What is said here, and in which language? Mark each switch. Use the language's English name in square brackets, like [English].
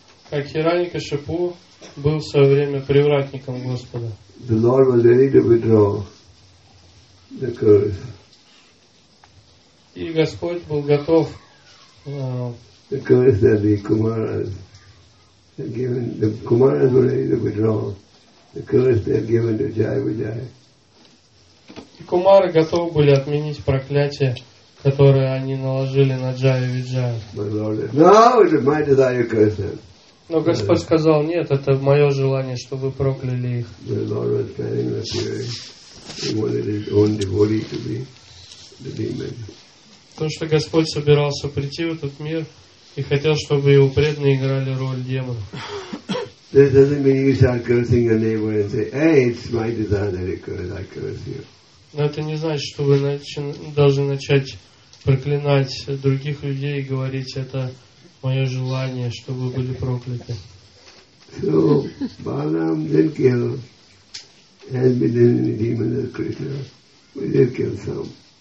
[Russian] Как Хиранья-Кашипу был в свое время привратником Господа. [English] The Lord was ready to withdraw the curse. [Russian] И Господь был готов [English] the curse that the Kumaras given, the Kumaras were ready to withdraw the curse they had given to Jayavijaya. [Russian] И Кумары готовы были отменить проклятие, которое они наложили на Джая-Виджая. [English] My Lord said, no, it was my desire to curse them. [Russian] Но Господь сказал, нет, это мое желание, чтобы вы прокляли их. [English] My Lord was planning the fury. He wanted his own devotee to be the demon. [Russian] То, что Господь собирался прийти в этот мир и хотел, чтобы его преданные играли роль демона. [English] This doesn't mean you start cursing your neighbor and say, hey, it's my desire that it curse, I curse you. [Russian] Но это не значит, что вы должны начать проклинать других людей и говорить, это мое желание, чтобы вы были прокляты. [English] So, Balaram didn't kill as many demons as Krishna, but he did kill some.